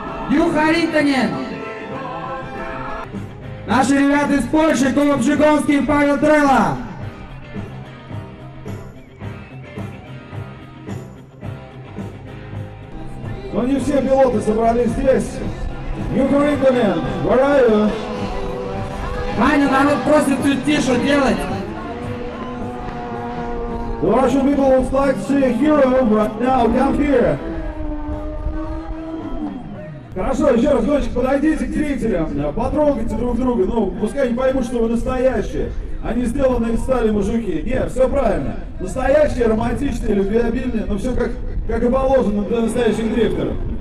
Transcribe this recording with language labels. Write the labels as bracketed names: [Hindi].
[Russian] Юха Ритонен! Наши ребята из Польши, Кулоб Жиговский и Павел Трелла! Но не все пилоты собрались здесь. [English] Юха Ритонен, where are you? [Russian] Ваня, народ просит тут тише делать. [English] The Russian people would like to see a hero right now come here. [Russian] Хорошо, еще раз, гонщик, подойдите к зрителям, потрогайте друг друга, ну, пускай они поймут, что вы настоящие, а не сделанные из стали мужики. Нет, все правильно. Настоящие, романтичные, любвеобильные, но все как и положено для настоящих дрифтеров.